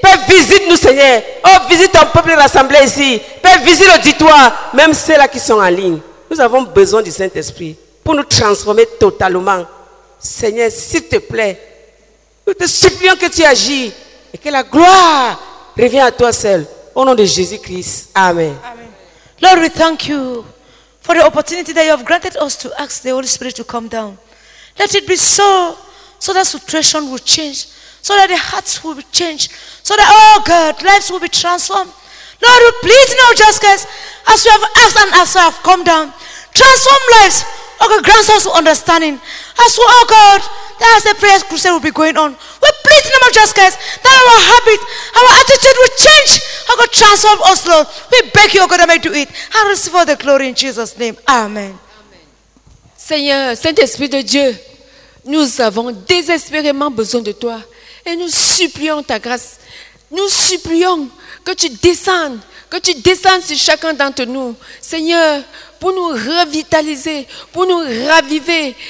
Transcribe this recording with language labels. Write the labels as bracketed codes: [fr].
[fr] Père, visite-nous, Seigneur. Oh, visite ton peuple rassemblé ici. Père, visite l'auditoire, même ceux-là qui sont en ligne. Nous avons besoin du Saint-Esprit pour nous transformer totalement. Seigneur, s'il te plaît, nous te supplions que tu agis et que la gloire revienne à toi seul. Au nom de Jésus-Christ. Amen. Amen. [en] Lord, we thank you for the opportunity that you have granted us to ask the Holy Spirit to come down. Let it be so that situation will change. So that the hearts will be changed. So that, oh God, lives will be transformed. Lord, please, no justice. As you have asked and as I have come down, transform lives oh God, grant us understanding. As well, oh God, that as the prayer crusade will be going on, we pray in the name of Jesus Christ that our habit, our attitude will change. Oh God, transform us, Lord. We beg you, oh God, that may do it. And receive all the glory in Jesus' name. Amen. [fr] Seigneur, Saint-Esprit de Dieu, nous avons désespérément besoin de toi et nous supplions ta grâce. Nous supplions que tu descendes sur chacun d'entre nous, Seigneur, pour nous revitaliser, pour nous raviver.